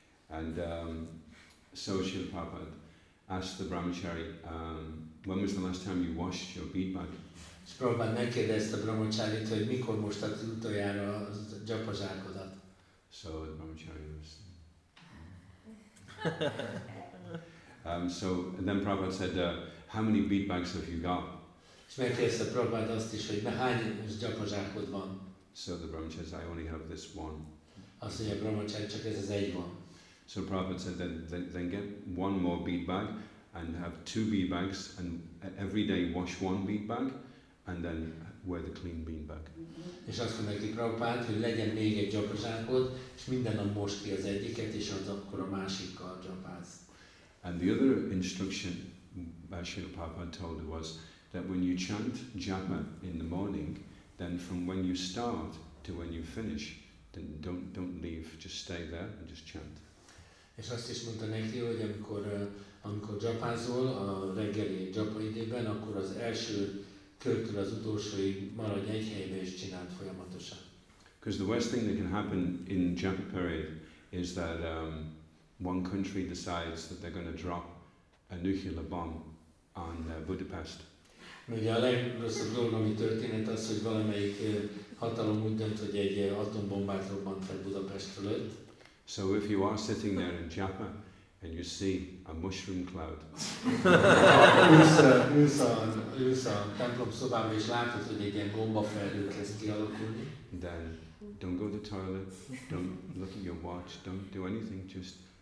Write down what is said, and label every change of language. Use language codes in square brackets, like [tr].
[en] And so Srila Prabhupada asked the brahmachari, when was the last time you washed your bead bag? [hu] És Prabhupada megkérdezte a brahmacharit, hogy mikor mostad utoljára a japa zsákodat. [en] So the brahmachari was... so then Prabhupada said, how many bead bags have you got? [hu] És megkérdezte Prabhupada azt is, hogy hány japa zsákod van. [en] So the brahmachari says, I only have this one. [hu] Azt mondja a brahmachari, csak ez az egy van. [en] So Prabhupada said, then get one more bead bag and have two bead bags and every day wash one bead bag and then wear the clean bean bag. [hu] És azt mondja neki Prabhupád, hogy legyen még egy japa zsákod, és minden nap mosd ki az egyiket, és az akkor a másikkal japáz. [en] And the other instruction Srila Prabhupada told was that when you chant japa in the morning, then from when you start to when you finish, then don't leave, just stay there and just chant. [hu] És azt is mondta neki, hogy amikor japázol a reggeli japa idében, akkor az első körtől az utolsóig maradj egy helyben és csináld folyamatosan. [en] Because the worst thing that can happen in japa period is that one country decides that they're going to drop a nuclear bomb on Budapest. [hu] Ugye a legrosszabb dolog, ami történet az, hogy valamelyik hatalom úgy dönt, hogy egy atombombát robbant fel Budapest fölött. [en] So if you are sitting there in Japa and you see a mushroom cloud, then don't go to the toilet, don't look at your watch, don't do anything, just...